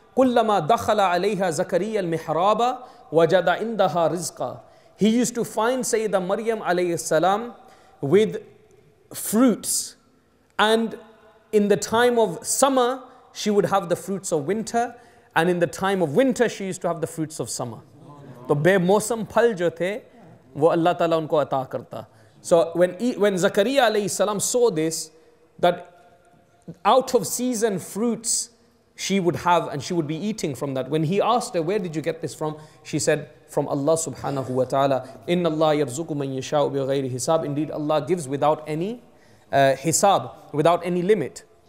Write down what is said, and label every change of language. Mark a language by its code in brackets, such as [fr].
[ar] كُلَّمَا دَخَلَ عَلَيْهَا زَكَرِيَّ الْمِحْرَابَ وَجَدَ عِنْدَهَا رِزْقًا. [en] He used to find Sayyidah Maryam alayhi salam with fruits. And in the time of summer, she would have the fruits of winter. And in the time of winter, she used to have the fruits of summer. [ur] So, بے موسم پھل جو تھے وہ اللہ تعالیٰ ان کو عطا کرتا. [en] So, when Zakariya alayhi salam saw this, that out of season fruits she would have and she would be eating from that. When he asked her, where did you get this from? She said, from Allah subhanahu wa ta'ala. [ar] Inna Allah yarzuku man yasha'u bi ghayri hisab. [en] Indeed, Allah gives without any hisab, without any limit.